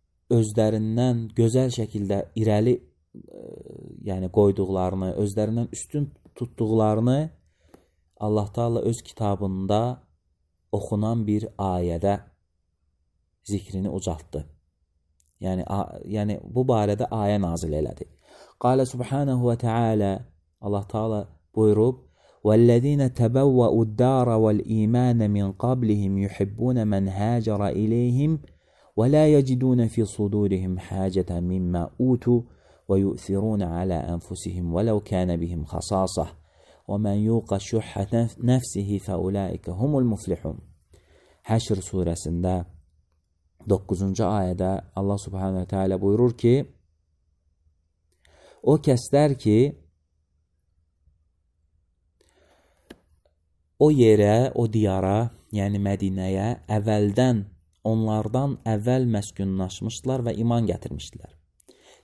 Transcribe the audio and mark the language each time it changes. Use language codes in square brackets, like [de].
[az] özlərindən gözəl şəkildə irəli yəni qoyduqlarını, özlərindən üstün tutduqlarını Allah Taala öz kitabında oxunan bir ayədə zikrini ucaltdı. Yəni bu barədə ayə nazil elədi. [ar] Qala Subhanahu wa Taala [az] Allah Taala buyurub [ar] والذين تبوأوا الدار والإيمان من قبلهم يحبون من هاجر إليهم ولا يجدون في صدورهم حاجة مما أوتوا ويؤثرون على أنفسهم ولو كان بهم خصاصة ومن يوق شح نفسه فأولئك هم المفلحون حشر سورة 9. [az] آيدة الله سبحانه وتعالى buyurur ki O kəslər ki O yerə, o diyara, yəni Mədinəyə əvvəldən, onlardan əvvəl məskunlaşmışdılar və iman gətirmişdilər.